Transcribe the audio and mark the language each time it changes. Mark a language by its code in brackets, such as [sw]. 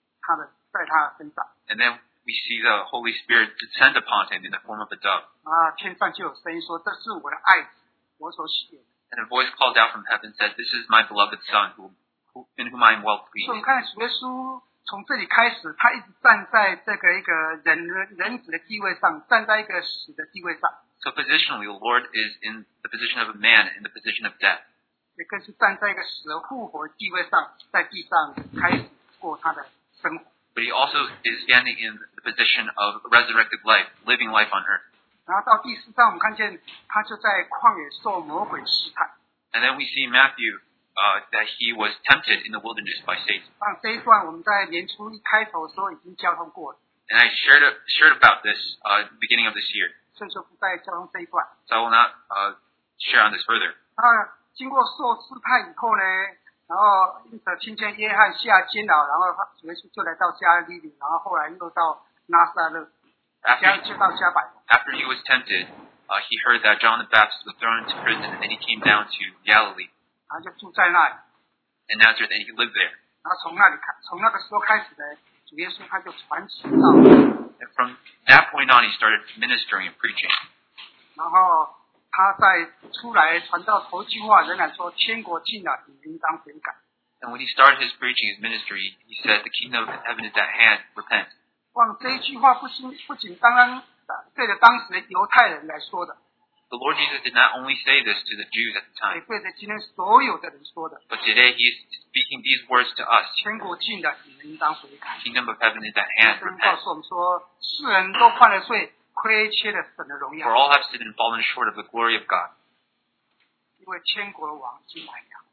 [en] And then we see the Holy Spirit descend upon him in the form of a dove. And a voice called out from heaven said, This is my beloved Son, in whom I am well pleased. [zh] 所以我们看主耶稣从这里开始，他一直站在这个一个人子的地位上，站在一个死的地位上。 [en] So positionally, the Lord is in the position of a man, in the position of death. [zh] 也更是站在一个死而复活的地位上，在地上开始过他的生活。 [en] But he also is standing in the position of resurrected life, living life on earth. [zh] 然后到第四章，我们看见他就在旷野受魔鬼试探。 [en] And then we see Matthew, that he was tempted in the wilderness by Satan. [zh] 那这一段我们在年初一开头的时候已经交通过了。 [en] And I shared about this, beginning of this year. [zh] 所以说不再交通这一段。 [en] So I will not, share on this further. [zh] 那经过受试探以后呢，然后因此听见约翰下监牢，然后主耶稣就来到加利利，然后后来又到拿撒勒。 [en] After he was tempted, he heard that John the Baptist was thrown into prison, and then he came down to Galilee. [zh] 然后就住在那里。 [en] And Nazareth, and he lived there. [zh] 然后从那里看，从那个时候开始呢，主耶稣他就传奇道。 [en] And from that point on, he started ministering and preaching. [zh] 然后他在出来传道头句话仍然说：“天国近了，你应当悔改。” [en] And when he started his preaching, his ministry, he said, "The kingdom of heaven is at hand. Repent." [zh] 哇，这一句话不仅刚刚对着当时的犹太人来说的。 [en] The Lord Jesus did not only say this to the Jews at the time. [zh] 对着今天所有的人说的。 [en] But today he is speaking these words to us. [zh] 天国近了，你们应当悔改。 [en] Kingdom of heaven is at hand. [zh] 告诉我们说，世人都犯了罪，亏缺了神的荣耀。 [en] For all have sinned and fallen short of the glory of God. [zh] 因为天国的王已经来了。